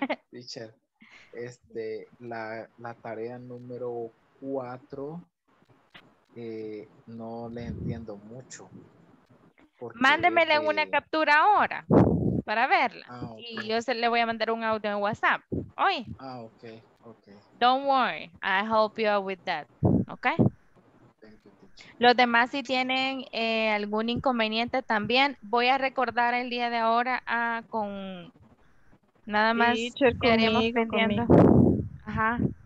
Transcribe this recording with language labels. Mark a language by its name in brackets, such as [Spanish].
[Spanish] Teacher, la tarea número 4, no le entiendo mucho. Mándemela en una captura ahora para verla. Okay. Y yo le voy a mandar un audio en WhatsApp hoy. Ah, ok. Okay. [English] Don't worry, I help you out with that. Okay. [Spanish] Los demás, si tienen algún inconveniente también, voy a recordar el día de ahora con nada más. Teacher, conmigo, conmigo. Ajá.